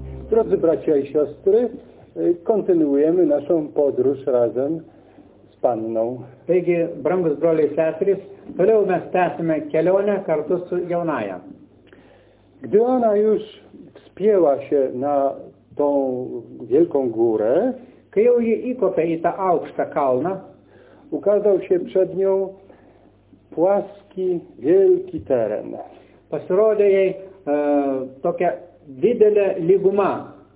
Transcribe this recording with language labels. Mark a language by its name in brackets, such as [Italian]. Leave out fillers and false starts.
[Polish] Drodzy bracia i siostry, kontynuujemy naszą podróż razem z Panną. [Lithuanian] Taigi, brangus broliai i seserys, toliau mes tęsime kelionę kartu su jaunaja. [Polish] Gdy ona już wspięła się na tą wielką górę, [Lithuanian] kai jau ji įkopė į tą aukštą kalną, [Polish] ukazał się przed nią płaski, wielki teren. [Lithuanian] Pasirodė jej tokia didelė lyguma.